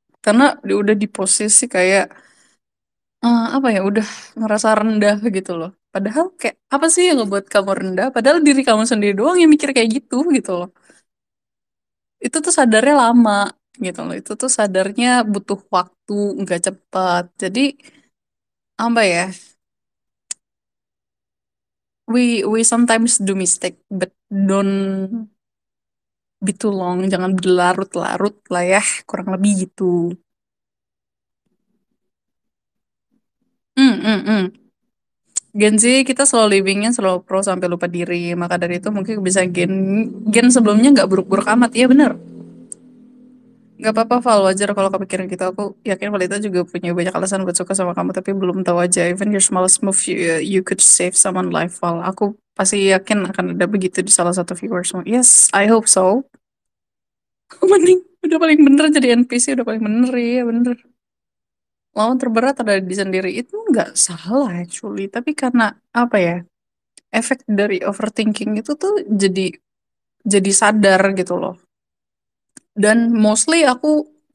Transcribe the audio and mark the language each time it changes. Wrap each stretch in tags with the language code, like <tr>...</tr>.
<id>Karena dia udah di posisi kayak apa ya, udah ngerasa rendah gitu loh. Padahal kayak apa sih yang ngebuat kamu rendah? Padahal diri kamu sendiri doang yang mikir kayak gitu gitu loh. Itu tuh sadarnya lama gitu loh. Itu tuh sadarnya butuh waktu, nggak cepat. Jadi apa ya,</id> <en>we sometimes do mistake, but don't be too long.</en> <id>Jangan berlarut-larut lah ya, kurang lebih gitu. Gen Z kita slow livingnya, slow pro sampai lupa diri. Maka dari itu mungkin bisa gen gen sebelumnya nggak buruk-buruk amat. Iya bener. Gak apa-apa, Val, wajar kalau kepikiran gitu. Aku yakin Valita juga punya banyak alasan buat suka sama kamu, tapi belum tahu aja.</id> <en>Even your smallest move, you could save someone's life, Val.</en> <id>Aku pasti yakin akan ada begitu di salah satu viewers.</id> <en>Yes, I hope so.</en> <id>Mending udah paling bener jadi NPC, udah paling bener, iya bener. Lawan terberat ada di sendiri, itu nggak salah actually, tapi karena apa ya, efek dari overthinking itu tuh jadi sadar gitu loh. Dan mostly aku</id>